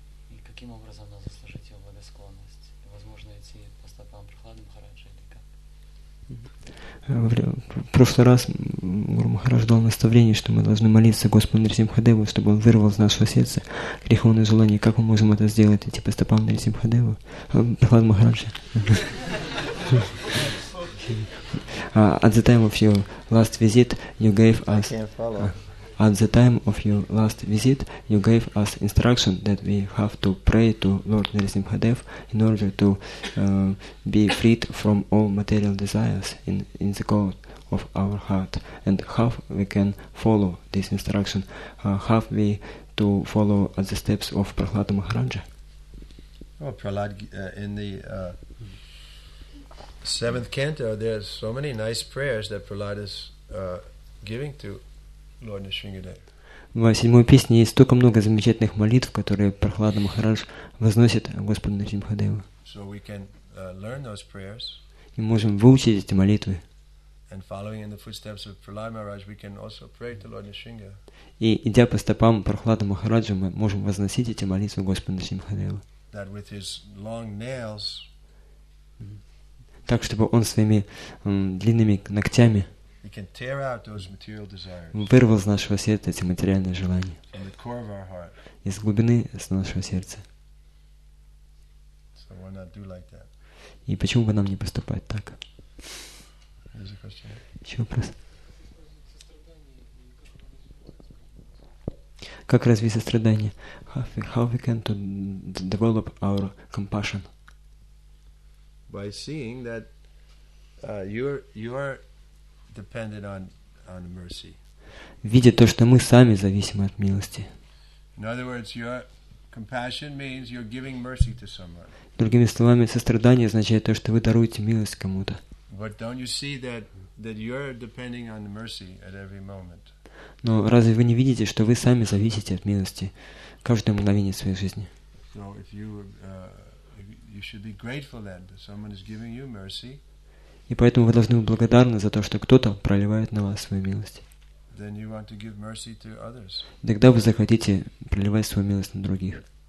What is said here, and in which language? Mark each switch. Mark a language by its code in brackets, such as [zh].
[ru] И каким образом нам заслужить его благосклонность? И возможно идти по стопам Прохлады Махараджа или как? В прошлый раз Гуру Махарадж дал наставление, что мы должны молиться Господу Нарасимхадеву, чтобы он вырвал из нашего сердца греховные желания. Как мы можем это сделать? Идти по стопам Нарасимхадеву? Прохлад Махараджа. [en] At the time of your last visit, you gave us. At the time of your last visit, you gave us instruction that we have to pray to Lord Narasimhadev in order to be freed from all material desires in the goal of our heart, and how we can follow this instruction, how we to follow the steps of Prahlada Maharaja. Oh, Prahlad, in the seventh canto, there's so many nice prayers that Prahlad is giving to Lord Nisringadev. [ru] В седьмой песне есть столько много замечательных молитв, которые Прахлада Махарадж возносит Господу Нарсимхадеву. [en] So we can learn those prayers. [ru] И можем выучить эти молитвы. [en] And following in the footsteps of Prahlada Maharaj, we can also pray to Lord Nisringa. [ru] И идя по стопам Прахлада Махараджа, мы можем возносить эти молитвы Господу Нарсимхадеву. [en] That with his long nails. [ru] Так, чтобы он своими длинными ногтями [en] he can tear out those material desires. [ru] Вырвал из нашего сердца эти материальные желания. [en] From the core of our heart. [ru] Из глубины нашего сердца. [en] So why not do like that? [ru] И почему бы нам не поступать так? [en] There's a question. [ru] Еще вопрос. Как развить сострадание? [en] How we can to develop our compassion? By seeing that you are dependent on mercy. [ru] Видя то, что мы сами зависимы от милости. [en] In other words, your compassion means you're giving mercy to someone. [ru] Другими словами, сострадание означает то, что вы даруете милость кому-то. [en] But don't you see that you're depending on mercy at every moment? [ru] Но разве вы не видите, что вы сами зависите от милости каждое мгновение своей жизни? [en] So if you should be grateful then that someone is giving you mercy. [ru] И поэтому вы должны быть благодарны за то, что кто-то проливает на вас свою милость. Тогда вы захотите проливать свою милость на других.